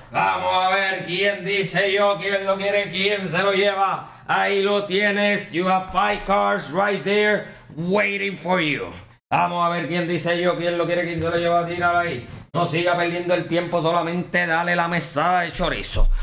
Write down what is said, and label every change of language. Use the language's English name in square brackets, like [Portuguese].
[Spanish] Vamos a ver quién dice yo, quién lo quiere, quién se lo lleva. Ahí lo tienes. [English] You have 5 cars right there waiting for you. [Spanish] Vamos a ver quién dice yo, quién lo quiere, quién se lo lleva. Tíralo ahí. No siga perdiendo el tiempo, solamente dale la mesada de chorizo.